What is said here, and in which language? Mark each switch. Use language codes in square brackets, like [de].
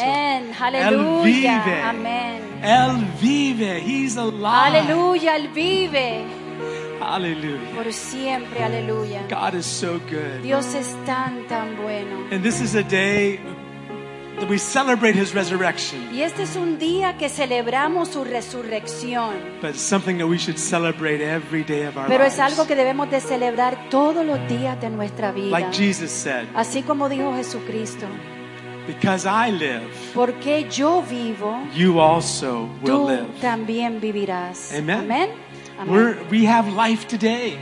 [es] Amén. Hallelujah. Él vive. Amen. Él vive. [en] He's alive. [es] Hallelujah. Él vive. Hallelujah. Por siempre, aleluya. [en] God is so good. [es] Dios es tan tan bueno. [en] And this is a day that we celebrate his resurrection. [es] Y este es un día que celebramos su resurrección. [en] But something that we should celebrate every day of our [es] Pero [en] lives. [es] Es algo que debemos de celebrar todos los días de nuestra vida. [en] Like Jesus said. [es] Así como dijo Jesucristo. [en] Because I live. [es] Porque yo vivo. [en] You also will [es] tú [en] live. [es] Tú también vivirás. Amen. Amen. [en] We have life today.